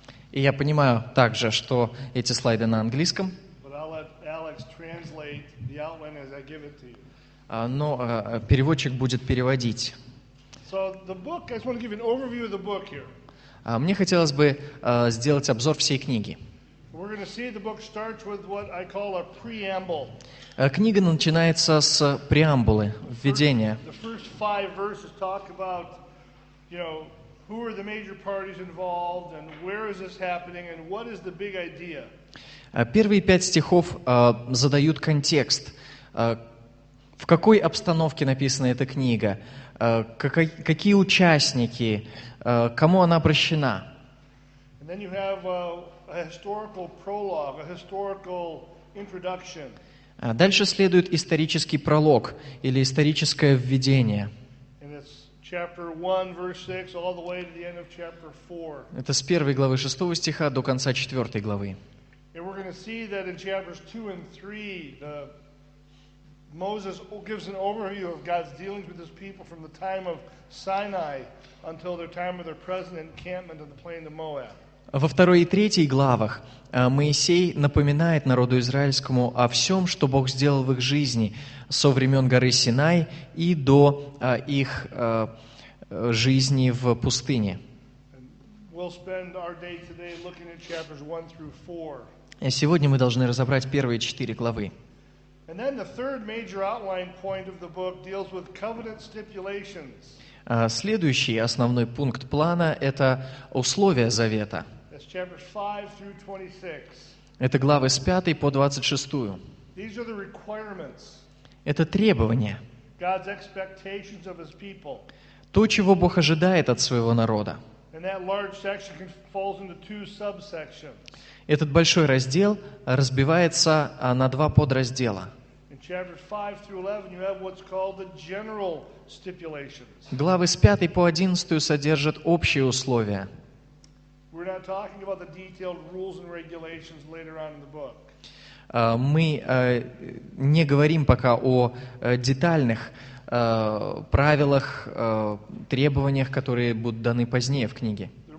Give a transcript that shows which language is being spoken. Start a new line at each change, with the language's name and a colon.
Russian: И я понимаю также, что эти слайды на английском. Но переводчик будет переводить
English: So the book, I just want to give an overview of the book here.
Russian: Мне хотелось бы сделать обзор всей книги.
English: We're going to see the book starts with what I call a preamble.
Russian: Книга начинается с преамбулы, введения.
English: The first five verses talk about, you know, who are the major parties involved and where is this happening and what is the big idea.
Russian: Первые пять стихов задают контекст. В какой обстановке написана эта книга? Какие участники? Кому она обращена?
English: And then you have a historical prologue, a historical introduction.
Russian: Дальше следует исторический пролог или историческое введение.
English: And it's chapter 1, verse 6, all the way to the end of chapter 4.
Russian: Это с первой главы шестого стиха до конца четвертой главы.
English: And we're going to see that in chapters 2 and 3, Moses gives an overview of God's dealings with his people from the time of Sinai until the time of their present encampment on the plain of Moab.
Russian: Во второй и третьей главах Моисей напоминает народу израильскому о всем, что Бог сделал в их жизни со времен горы Синай и до их жизни в пустыне.
English: We'll spend our day today looking at chapters 1 through 4.
Russian: Сегодня мы должны разобрать первые четыре главы.
English: And then the third major outline point of the book deals with covenant stipulations.
Russian: Следующий основной пункт плана – это условия завета.
English: That's chapters 5 through 26.
Russian: Это главы с 5 по 26.
English: These are the requirements.
Russian: Это требования.
English: God's expectations of his people.
Russian: То, чего Бог ожидает от своего народа.
English: And that large section falls into two subsections.
Russian: Этот большой раздел разбивается на два подраздела.
English: In chapters 5 through 11 you have what's called the general stipulations.
Russian: Главы с 5 по 11 содержат общие условия.
English: We're not talking about the detailed rules and regulations later on in the book.
Russian: Мы не говорим пока о детальных правилах, требованиях, которые будут даны позднее в книге.